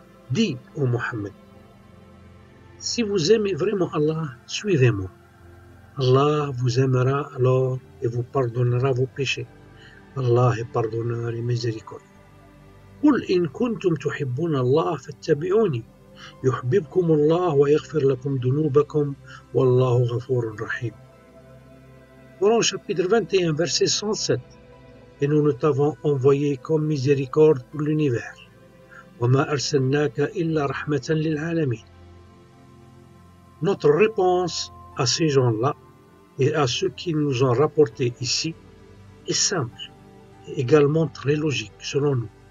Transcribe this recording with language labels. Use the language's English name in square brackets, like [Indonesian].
[French] Dis au Mohammed, si vous aimez vraiment Allah, suivez-moi. Allah vous aimera alors et vous pardonnera vos péchés. Allah est pardonneur et miséricordieux. [Arabic] قل إن كنتم تحبون الله فاتبعوني يحببكم الله ويغفر لكم ذنوبكم والله غفور رحيم. [French] Coran chapitre 21, verset 107. Et nous ne t'avons envoyé comme miséricorde pour l'univers. [Arabic] وَمَا أَرْسَلْنَاكَ إِلَّا رَحْمَةً لِلْعَالَمِينَ. [French] Notre réponse à ces gens-là et à ceux qui nous ont rapporté ici est simple et également très logique selon nous.